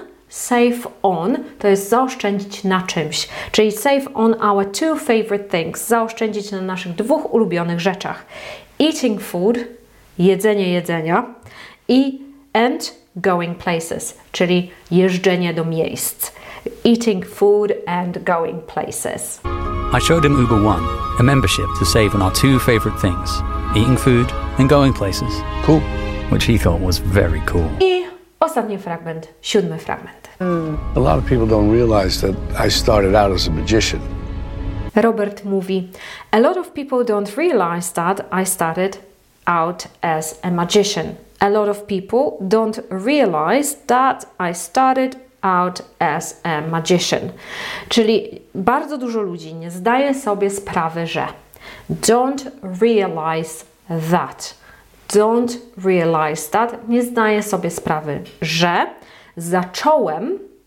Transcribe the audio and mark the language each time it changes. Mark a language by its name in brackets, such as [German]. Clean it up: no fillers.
[English] Save on [Polish] to jest zaoszczędzić na czymś, czyli [English] save on our two favorite things, [Polish] zaoszczędzić na naszych dwóch ulubionych rzeczach. [English] Eating food, [Polish] jedzenia [English] and going places, [Polish] czyli jeżdżenie do miejsc. [English] Eating food and going places. I showed him Uber One, a membership to save on our two favorite things, eating food and going places. Cool. Which he thought was very cool. [Polish] I ostatni fragment, siódmy fragment. [English] A lot of people don't realize that I started out as a magician. [Polish] Robert mówi, [English] a lot of people don't realize that I started out as a magician. A lot of people don't realize that I started out as a magician. [Polish] Czyli bardzo dużo ludzi nie zdaje sobie sprawy, że [English] don't realize that. Don't realize that. [Polish] Nie zdaje sobie sprawy, że zacząłem.